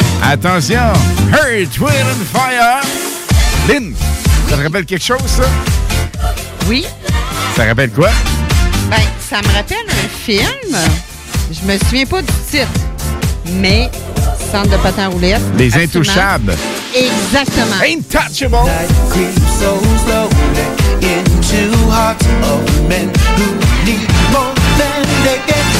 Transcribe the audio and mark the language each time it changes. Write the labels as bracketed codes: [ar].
[fr] Attention, Hurt, Wind and Fire. Lynn, ça te rappelle quelque chose, ça? Oui. Ça rappelle quoi? Ben, ça me rappelle un film. Je me souviens pas du titre, mais Centre de patins roulettes. Les absolument. Intouchables. Exactement. Intouchable. [en] Life creeps so slowly into hearts of men who need more than they get.